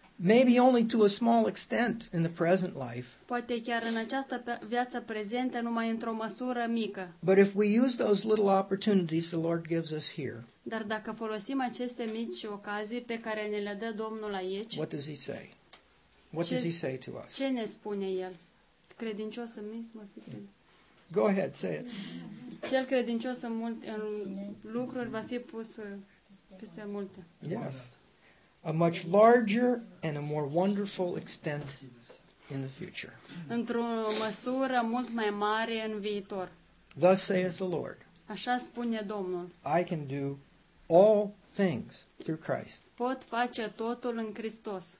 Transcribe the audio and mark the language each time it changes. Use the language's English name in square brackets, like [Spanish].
[English] Maybe only to a small extent in the present life. [Romanian] Poate chiar în această viață prezentă numai într-o măsură mică. [English] But if we use those little opportunities the Lord gives us here. [Romanian] Dar dacă folosim aceste mici ocazii pe care ne le dă Domnul aici. [English] What does he say? What does he say to us? [Romanian] Ce ne spune el? Credincios în mic, mă fi credincios. [English] Go ahead, say it. [Romanian] Cel credincios în mult în lucruri va fi pus peste multe. [English] Yes. A much larger and a more wonderful extent in the future. [Romanian] Într-o măsură mult mai mare în viitor. [English] Thus saith the Lord. [Romanian] Așa spune Domnul. [English] I can do all things through Christ. [Romanian] Pot face totul în Hristos.